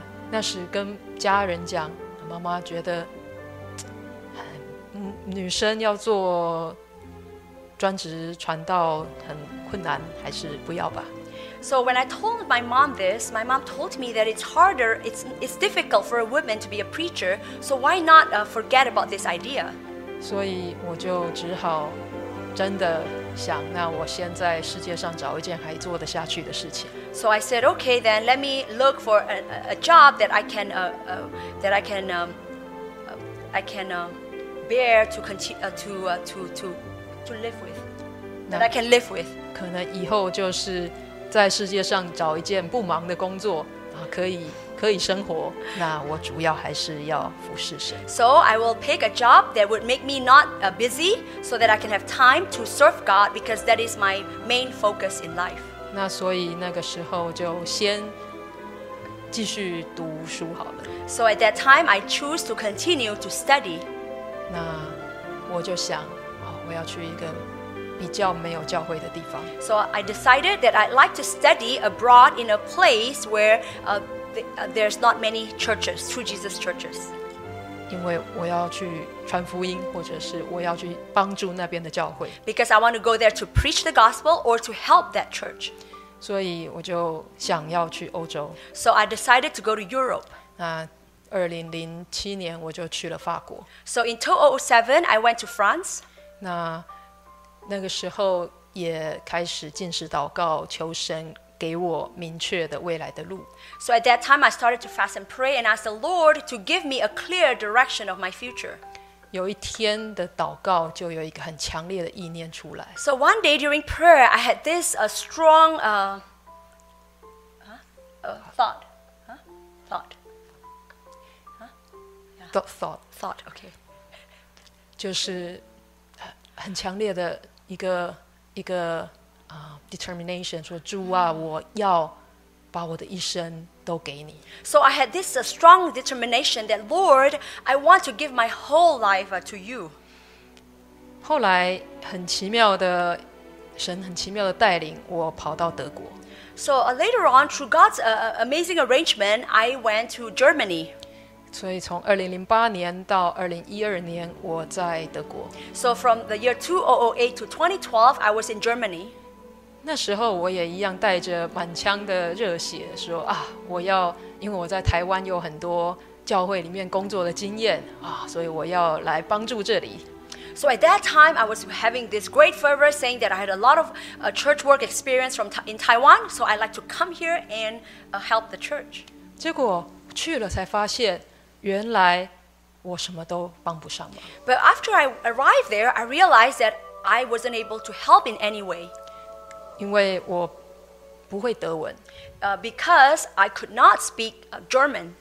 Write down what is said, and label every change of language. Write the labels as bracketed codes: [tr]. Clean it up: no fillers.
[zh] 那时跟家人讲，妈妈觉得，女生要做专职传道很困难，还是不要吧。 [en] So when I told my mom this, my mom told me that it's harder, it's difficult for a woman to be a preacher, so why not forget about this idea? [zh] 所以我就只好真的想，那我先在世界上找一件还做得下去的事情。 [en] So I said, okay, then let me look for a job that I can, bear to continue, to live with, that I can live with. [zh] 可能以后就是在世界上找一件不忙的工作，可以生活，那我主要还是要服侍神。 [en] So I will pick a job that would make me not busy so that I can have time to serve God because that is my main focus in life. [zh] 那所以那个时候就先继续读书好了。 [en] So at that time, I choose to continue to study. [zh] 那我就想，我要去一个比较没有教会的地方。 [en] So I decided that I'd like to study abroad in a place where there's not many churches, True Jesus churches. [zh] 因为我要去传福音，或者是我要去帮助那边的教会。 [en] Because I want to go there to preach the gospel or to help that church. [zh] 所以我就想要去欧洲。 [en] So I decided to go to Europe. [zh] 2007年我就去了法国。 [en] So in 2007, I went to France. [zh] 那个时候也开始禁食祷告，求神给我明确的未来的路。 [en] So at that time, I started to fast and pray and ask the Lord to give me a clear direction of my future. [zh] 有一天的祷告就有一个很强烈的意念出来。 [en] So one day during prayer, I had this strong thought. [zh] 就是很强烈的一个determination， 说主啊，我要把我的一生都给你。 [en] So I had this strong determination that Lord, I want to give my whole life to you. [zh] 后来很奇妙的神很奇妙的带领我跑到德国。 [en] So later on, through God's amazing arrangement, I went to Germany. [zh] 所以从2008年到2012年我在德国。 [en] So from the year 2008 to 2012, I was in Germany. [zh] 那时候我也一样带着满腔的热血说啊，我要，因为我在台湾有很多教会里面工作的经验啊，所以我要来帮助这里。 [en] So at that time I was having this great fervor saying that I had a lot of church work experience from in Taiwan, so I'd like to come here and help the church. [zh] 结果去了才发现原来我什么都帮不上忙。 [en] But after I arrived there, I realized that I wasn't able to help in any way. [zh] 因为我不会德文。 [en] Because I could not speak German.